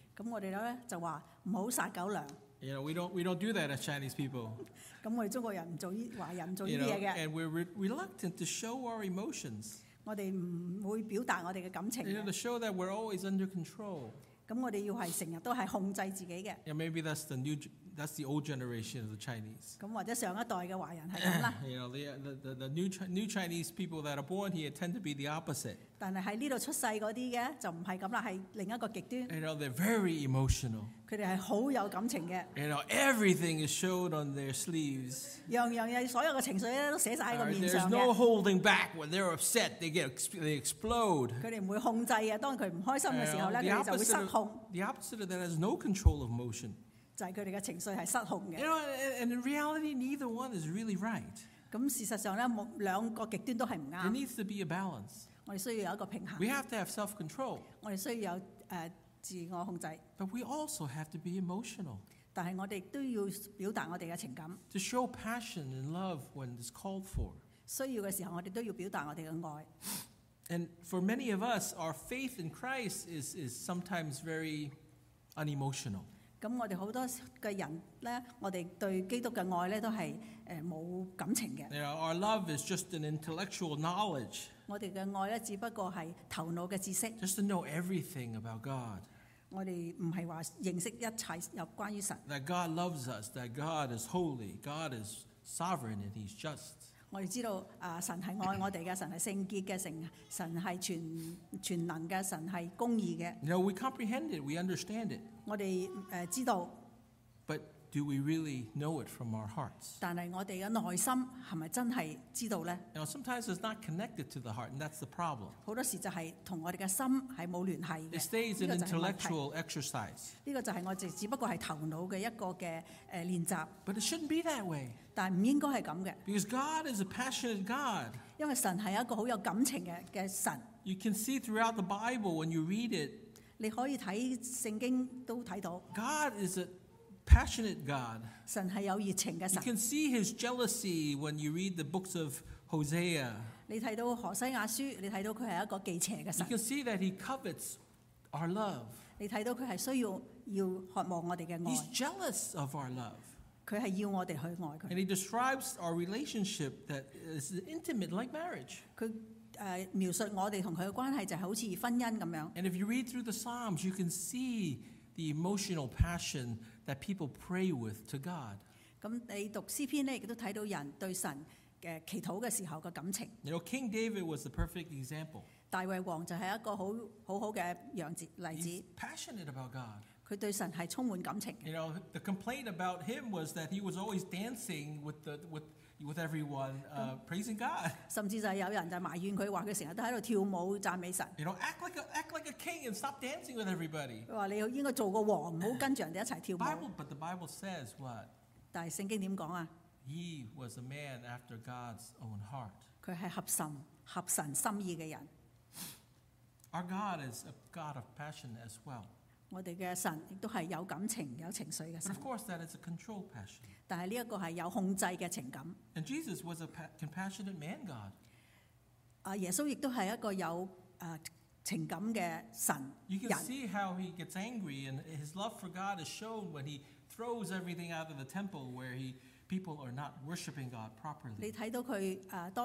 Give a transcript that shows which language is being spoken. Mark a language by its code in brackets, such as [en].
[zh] 那我们呢，就说不要撒狗粮。 [en] You know, we don't do that as Chinese people. [zh] 我们中国人不做华人不做这些东西。 [en] And we're reluctant to show our emotions. [zh] 我们不会表达我们的感情。 [en] You know, to show that we're always under control. [zh] 我们要是经常都是控制自己的。 [en] Yeah, maybe that's the old generation of the Chinese. [zh] 或者上一代的华人是这样。 [en] You know, the new Chinese people that are born here tend to be the opposite. [zh] 但是在这里出生的那些就不是这样，是另一个极端。 [en] You know, they're very emotional. [zh] 他们是很有感情的。 [en] You know, everything is showed on their sleeves. [zh] 样样所有的情绪都写在面上的。 [en] There's no holding back when they're upset, they explode. [zh] 他们不会控制的，当他们不开心的时候，他们就会失控。 [en] The opposite of that has no control of emotion. [zh] 就是他们的情绪是失控的。 [en] You know, and in reality, neither one is really right. [zh] 事实上，两个极端都是不对。 [en] There needs to be a balance. [zh] 我们需要有一个平衡。 [en] We have to have self-control. [zh] 我们需要有自我控制。 [en] But we also have to be emotional. [zh] 但是我们都要表达我们的情感。 [en] To show passion and love when it's called for. [zh] 需要的时候我们都要表达我们的爱。 [en] And for many of us, our faith in Christ is sometimes very unemotional. [zh] 那我们很多的人呢，我们对基督的爱呢，都是没有感情的。 [en] You know, our love is just an intellectual knowledge. [zh] 我们的爱只不过是头脑的知识。 [en] Just to know everything about God. [zh] 我们不是说认识一切有关于神。 [en] That God loves us, that God is holy, God is sovereign and He's just. [zh] 我们知道神是爱我们的，神是圣洁的，神是全能的，神是公义的。 [en] You know, we comprehend it, we understand it. [zh] 我们知道。 [en] But do we really know it from our hearts? [zh] 但是我们的内心是不是真的知道呢? [en] You know, sometimes it's not connected to the heart, and that's the problem. [zh] 很多时就是跟我们的心是没有联系的。 [en] It stays an intellectual exercise. [zh] 这个就是我只不过是头脑的一个练习。 [en] But it shouldn't be that way. [zh] 但不应该是这样的。 [en] Because God is a passionate God. [zh] 因为神是一个很有感情的神。 [en] You can see throughout the Bible when you read it, [zh] 你可以看圣经都看到, [en] God is a passionate God. [zh] 神是有热情的神。 [en] You can see his jealousy when you read the books of Hosea. [zh] 你看到何西亚书, 你看到他是一个忌邪的神。 [en] You can see that he covets our love. [zh] 你看到他是需要渴望我们的爱。 [en] He's jealous of our love. [zh] 他是要我们去爱他。 [en] And he describes our relationship that is intimate like marriage. [zh] 描述我们和他的关系就好像婚姻那样。 [en] And if you read through the Psalms, you can see the emotional passion that people pray with to God. [zh] 你读诗篇也看到人对神祈祷的时候的感情。 [en] You know, King David was the perfect example. [zh] 大卫王就是一个很好的例子。 [en] He's passionate about God. [zh] 他对神是充满感情的。 [en] You know, the complaint about him was that he was always dancing with everyone praising God. [zh] 甚至有人埋怨他，说他成日都在跳舞赞美神。 [en] You know, act like a king and stop dancing with everybody. [zh] 说你应该做个王，不要跟着人家一起跳舞。 [en] But the Bible says what? [zh] 但是圣经怎么说啊？ [en] He was a man after God's own heart. [zh] 他是合神心意的人。 [en] Our God is a God of passion as well. [zh] 我们的神也是有感情、有情绪的神。 [en] But of course, that is a controlled passion. [zh] 但是这个是有控制的情感。 [en] And Jesus was a compassionate man, God. [zh] 耶稣也是一个有情感的神人。 [en] You can see how he gets angry, and his love for God is shown when he throws everything out of the temple where people are not worshiping God properly.